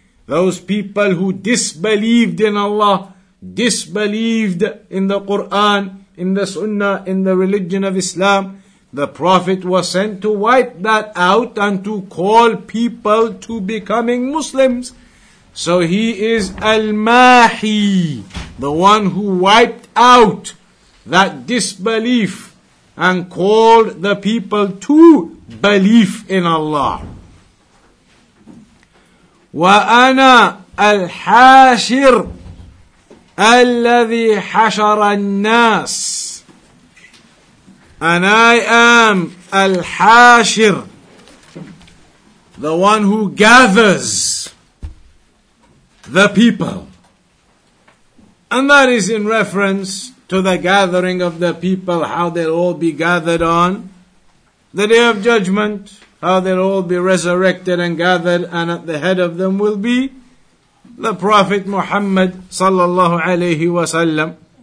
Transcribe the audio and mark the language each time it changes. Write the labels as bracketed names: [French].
[English] Those people who disbelieved in Allah, disbelieved in the Quran, in the Sunnah, in the religion of Islam, the Prophet was sent to wipe that out and to call people to becoming Muslims. So he is al-mahi, the one who wiped out that disbelief and called the people to belief in Allah. [Arabic] Wa ana al-hashir الذي حشر الناس. [English] And I am الحاشر, the one who gathers the people. And that is in reference to the gathering of the people, how they'll all be gathered on the Day of Judgment, how they'll all be resurrected and gathered, and at the head of them will be the Prophet Muhammad sallallahu alayhi wa sallam.